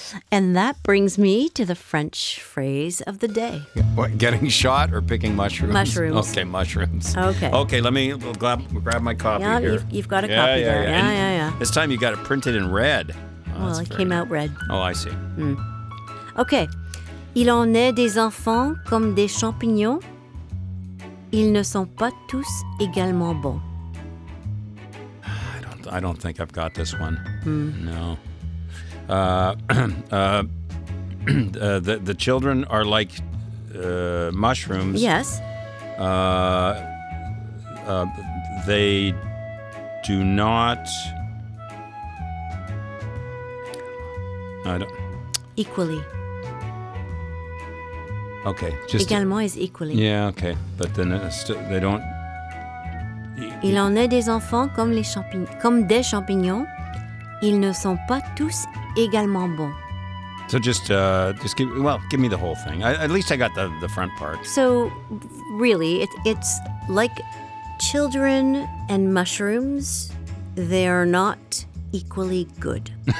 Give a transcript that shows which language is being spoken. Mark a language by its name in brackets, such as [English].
[English] And that brings me to the French phrase of the day. What, getting shot or picking mushrooms? Mushrooms. Okay, mushrooms. Okay. Okay, let me grab my copy here. You've got a copy there. Yeah. This time you got it printed in red. Well, it came out red. Oh, I see. Mm. Okay. [French] Il en est des enfants comme des champignons. Ils ne sont pas tous également bons. [English] I don't think I've got this one. Mm. No. the children are like mushrooms. Yes. They do not. Equally. Okay. Également is equally. Yeah, okay. But then they don't. [French] Il en est des enfants comme les comme des champignons. Ils ne sont pas tous également bons. [English] So give me the whole thing. At least I got the front part. So really, it's like children and mushrooms, they are not equally good.